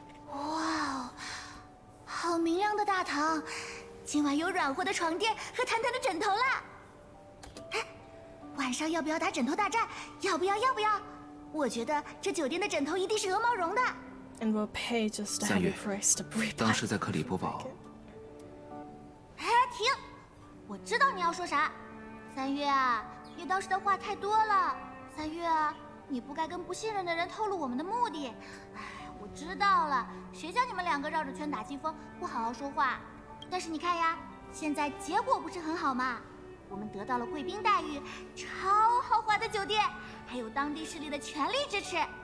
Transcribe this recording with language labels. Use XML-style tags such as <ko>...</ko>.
<zh>哇哦，好明亮的大堂，今晚有软和的床垫和弹弹的枕头了。哎，晚上要不要打枕头大战？要不要？要不要？我觉得这酒店的枕头一定是鹅毛绒的。</zh> <en>And we'll pay just a heavy price to breathe.</en> <zh>当时在克里伯堡。哎，停！我知道你要说啥，三月啊，你当时的话太多了。三月啊，你不该跟不信任的人透露我们的目的。哎，我知道了，谁叫你们两个绕着圈打金风，不好好说话。但是你看呀，现在结果不是很好吗？我们得到了贵宾待遇，超豪华的酒店，还有当地势力的全力支持。</zh>